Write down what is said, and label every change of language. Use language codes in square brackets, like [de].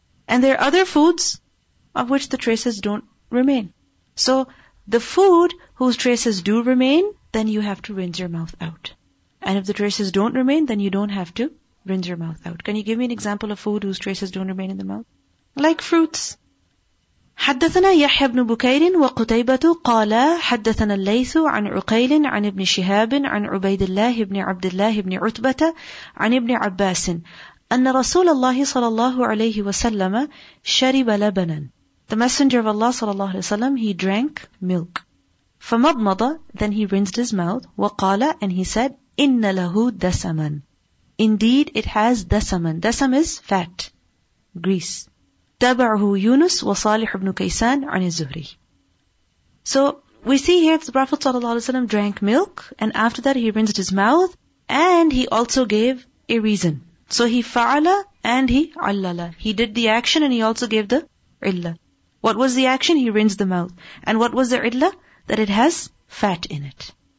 [en] And there are other foods of which the traces don't remain. So the food whose traces do remain, then you have to rinse your mouth out. And if the traces don't remain, then you don't have to rinse your mouth out. Can you give me an example of food whose traces don't remain in the mouth? Like fruits. [ar] حدثنا يحيى بن بكير وقتيبة قالا حدثنا الليث عن عقيل عن ابن شهاب عن عبيد الله بن عبد الله بن عتبة عن ابن عباس أن رسول الله صلى الله عليه وسلم شرب لبنا. [en] The Messenger of Allah صلى الله عليه وسلم, he drank milk. [ar] فمضمض, [en] then he rinsed his mouth. [ar] وقال, [en] and he said, [ar] إن له دسما. [en] Indeed, it has دسما. دسم is fat, grease. [ar] تبعه يونس وصالح بن كيسان عن الزهري. [en] So we see here that the Prophet ﷺ drank milk and after that he rinsed his mouth and he also gave a reason. So he فعل and he علل. He did the action and he also gave the علل. What was the action? He rinsed the mouth. And what was the علل? That it has fat in it.